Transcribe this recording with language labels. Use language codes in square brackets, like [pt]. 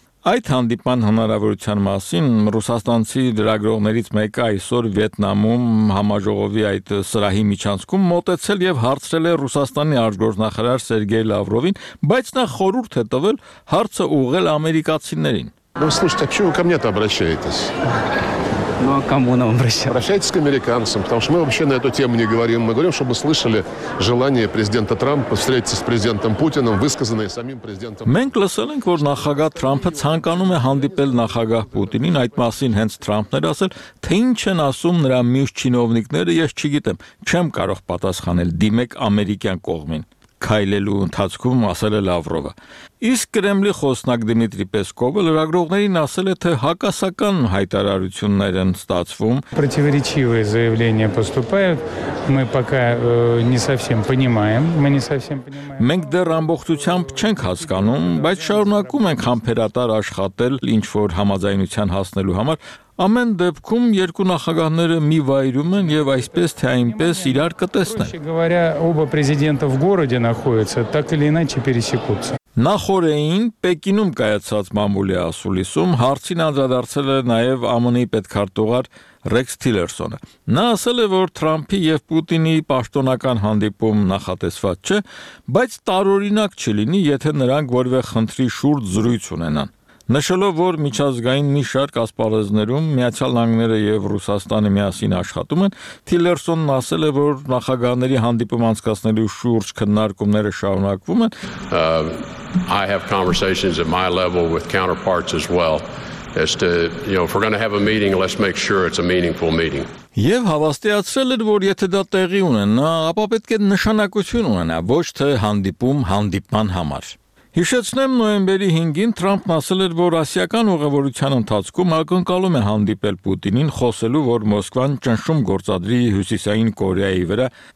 [hy] Այդ հանդիպան հնարավորության մասին ռուսաստանցի լրագրողներից մեկը այսօր Վիետնամում համաժողովի այդ սրահի միջանցքում մոտեցել եւ հարցրել է Ռուսաստանի արտգործնախարար Սերգեյ Լավրովին, բայց նա խորհուրդ է տվել հարցը ուղղել ամերիկացիներին։ [ru] Ну, а к кому нам обращаться? Обращайтесь к американцам, потому что мы вообще на эту тему не говорим. Мы говорим, чтобы слышали желание президента Трампа встретиться с президентом Путиным, высказанное самим президентом. [hy] Մենք լսել ենք, որ նախագահ Թրամփը ցանկանում է հանդիպել նախագահ Պուտինին, այդ մասին հենց Թրամփն էր ասել, թե ինչ են ասում նրա մյուս чиновниկները, ես չգիտեմ, չեմ կարող պատասխանել, դիմեք ամերիկյան կողմին։ Քայլելու ընթացքում ասել է Լավրովը։ Իսկ Կրեմլի խոսնակ Դմիտրի Պեսկովը լրագրողներին ասել է, թե հակասական հայտարարություններ են ստացվում։ [ru] Противоречивые заявления поступают. Мы пока не совсем понимаем, [hy] Մենք դեռ ամբողջությամբ չենք հասկանում, բայց շարունակում ենք համբերատար աշխատել, ինչ որ համաձայնության հասնելու համար։ Ամեն դեպքում երկու նախագահները մի վայրում են եւ այսպես թե այնպես իրար կտեսնեն։ [ru] Говоря оба президента в городе находятся, так или иначе пересекутся։ [hy] Նախորդին Պեկինում կայացած մամուլի ասուլիսում հարցին անդրադարձել է նաև ԱՄՆ-ի պետքարտուղար Ռեքս Թիլերսոնը։ Նա ասել է, որ Թրամփի և Պուտինի պաշտոնական հանդիպում նախատեսված չէ, բայց տարօրինակ չլինի, եթե նրանք որևէ խնդրի շուրջ զրույց ունենան։ Նշելով, որ միջազգային մի շարք ասպարեզներում Միացյալ Նահանգները և Ռուսաստանը միասին աշխատում են, Թիլերսոնն ասել է, որ նախագահների հանդիպում անցկացնելու շուրջ քննարկումները շարունակվում են. [en] I have conversations at my level with counterparts as well as to, you know, if we're going to have a meeting, let's make sure it's a meaningful meeting. [hy] Եվ հավաստիացրել էր, որ եթե դա տեղի ունենա, ապա պետք է նշանակություն ունենա, ոչ թե հանդիպում հանդիպման համար։ Հիշեցնեմ, նոյեմբերի 5-ին Թրամփն ասել էր, որ ասիական ուղևորության ընթացքում ակնկալում է հանդիպել Պուտինին, խոսելու, որ Մոսկվան ճնշում գործադրի Հյուսիսային Կորեայի վրա,